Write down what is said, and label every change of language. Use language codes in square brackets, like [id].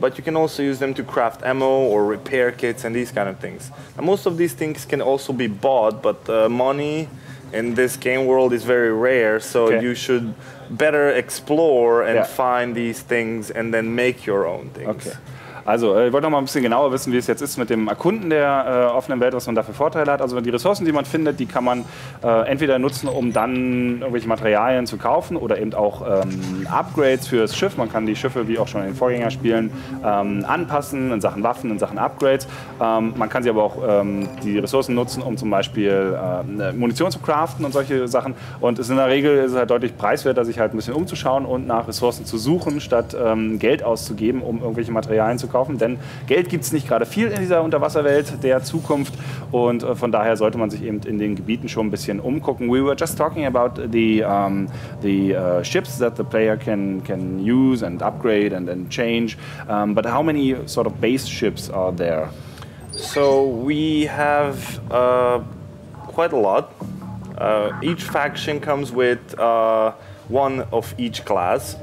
[en] but you can also use them to craft ammo or repair kits and these kind of things. And most of these things can also be bought, but money in this game world is very rare, so you should better explore and find these things and then make your own things. Okay. [de] Also, ich wollte noch mal ein bisschen genauer wissen, wie es jetzt ist mit dem Erkunden der offenen Welt, was man dafür Vorteile hat. Also die Ressourcen, die man findet, die kann man entweder nutzen, um dann irgendwelche Materialien zu kaufen oder eben auch Upgrades fürs Schiff. Man kann die Schiffe, wie auch schon in den Vorgängerspielen, anpassen in Sachen Waffen, in Sachen Upgrades. Man kann sie aber auch die Ressourcen nutzen, um zum Beispiel Munition zu craften und solche Sachen. Und es ist in der Regel ist es halt deutlich preiswerter, sich halt ein bisschen umzuschauen und nach Ressourcen zu suchen, statt Geld auszugeben, um irgendwelche Materialien zu kaufen, denn Geld gibt es nicht gerade viel in dieser Unterwasserwelt der Zukunft und von daher sollte man sich eben in den Gebieten schon ein bisschen umgucken. [en] We were just talking about the ships that the player can use and upgrade and then change, but how many sort of base ships are there? So we have quite a lot. Each faction comes with one of each class.